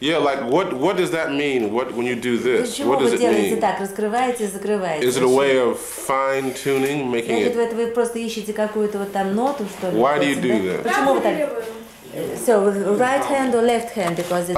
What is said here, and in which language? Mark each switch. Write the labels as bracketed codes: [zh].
[en] Yeah, like what does that mean? When you do this, what does it mean? [ru] Так, раскрываете, закрываете. [en] Is it a way of fine tuning, making it? [ru] Значит, вы просто ищете какую-то вот там ноту, что ли? [en] Why do you do that? [ru] Почему вот так? [en] So, right hand or left hand, because it's...